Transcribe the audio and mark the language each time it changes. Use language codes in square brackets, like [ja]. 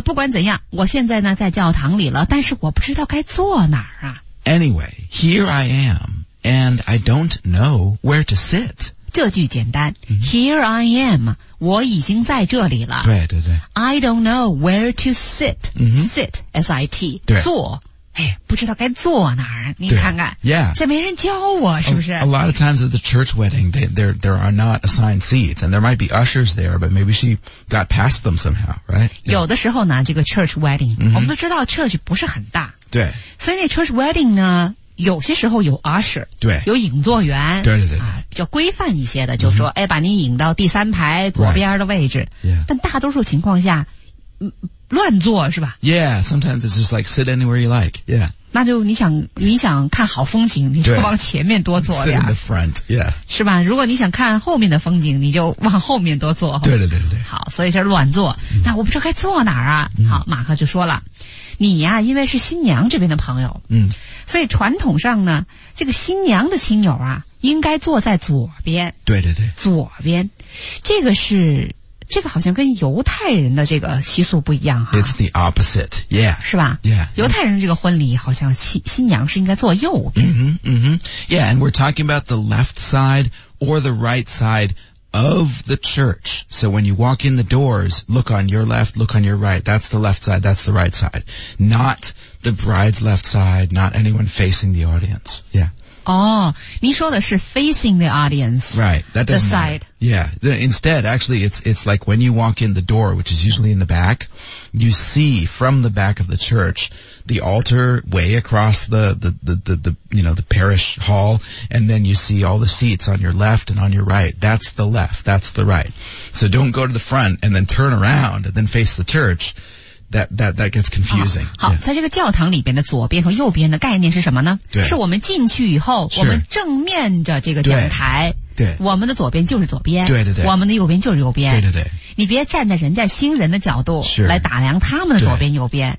[zh] 不管怎样我现在呢在教堂里了但是我不知道该坐哪儿啊 [en] Anyway, here I am and I don't know where to sit [zh] 这句简单、 mm-hmm. [en] Here I am, [zh] 我已经在这里了对对对 [en] I don't know where to sit、 mm-hmm. sit S-I-T [zh] 对坐哎不知道该坐哪儿你看看 [en] Yeah [zh] 这没人教我是不是 [en] A lot of times at the church wedding there are not assigned seats and there might be ushers there but maybe she got past them somehow right、 [zh] yeah. 有的时候呢这个 church wedding、 mm-hmm. 我们都知道 church 不是很大对所以那 church wedding 呢有些时候有 usher 对有引座员对对 对, 对、啊、比较规范一些的就说、mm-hmm. 哎把你引到第三排左边的位置、 [en] right. yeah. [zh] 但大多数情况下乱坐是吧 [en] Yeah, sometimes it's just like sit anywhere you like, yeah. [zh] 那就你想看好风景你就往前面多坐呀 [en] Sit in the front, yeah. [zh] 是吧如果你想看后面的风景你就往后面多坐对对对对好所以这乱坐、嗯、那我不知道该坐哪儿啊、嗯、好马克就说了你呀、啊、因为是新娘这边的朋友嗯，所以传统上呢这个新娘的亲友啊应该坐在左边对对对左边这个是这个好像跟犹太人的这个习俗不一样哈。 [en] It's the opposite, yeah. [zh] 是吧 [en] ？Yeah. [zh] 犹太人这个婚礼好像新娘是应该坐右边。 Mm-hmm, mm-hmm. [en] Yeah, and we're talking about the left side or the right side of the church. So when you walk in the doors, look on your left, look on your right. That's the left side. That's the right side. Not the bride's left side. Not anyone facing the audience. Yeah. [zh] 哦、oh, 您说的是 [en] facing the audience. Right, that doesn't the side. Matter. Yeah, instead, actually, it's like when you walk in the door, which is usually in the back, you see from the back of the church, the altar way across the, you know, the parish hall, and then you see all the seats on your left and on your right. That's the left, that's the right. So don't go to the front and then turn around and then face the church. That gets confusing. [zh] 好, 好、 [en] yeah. [zh] 在这个教堂里边的左边和右边的概念是什么呢对是我们进去以后我们正面着这个讲台对我们的左边就是左边对对对我们的右边就是右边对对对你别站在人家新人的角度来打量他们的左边右边